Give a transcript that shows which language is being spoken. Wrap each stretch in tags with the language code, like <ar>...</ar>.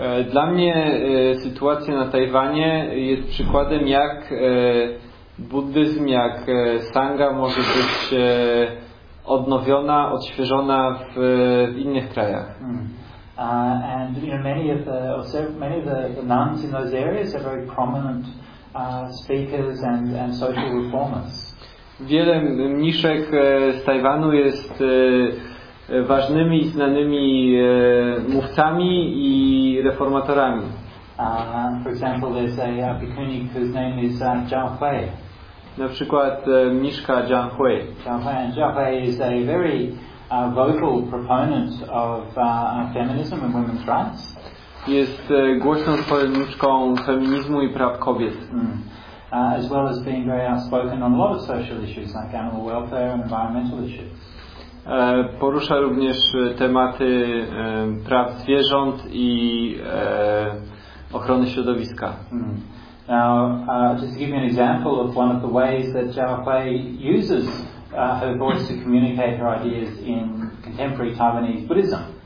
<pl>Dla mnie sytuacja na Tajwanie jest przykładem, jak buddyzm, jak sangha może być odnowiona, odświeżona w innych krajach.</pl> <en>And you know, many of the nuns in those areas are very prominent speakers and social reformers.</en> <pl>Wiele mniszek z Tajwanu jest ważnymi i znanymi mówcami i reformatorami.</pl> <en>For example, there's a bikuni whose name is Zhao Hui.</en> <pl>Na przykład mniszka Zhang Hui.</pl> <en>Zhang Hui is a very vocal proponent of feminism and women's rights.</en> <pl>Jest głośną zwolenniczką feminizmu i praw kobiet.</pl> <en>As well as being very outspoken on a lot of social issues like animal welfare and environmental issues.</en> <pl>Porusza również tematy praw zwierząt i ochrony środowiska.</pl> <en>Now, just to give you an example of one of the ways that Zhao Hui uses her voice to communicate her ideas in contemporary Taiwanese Buddhism.</en>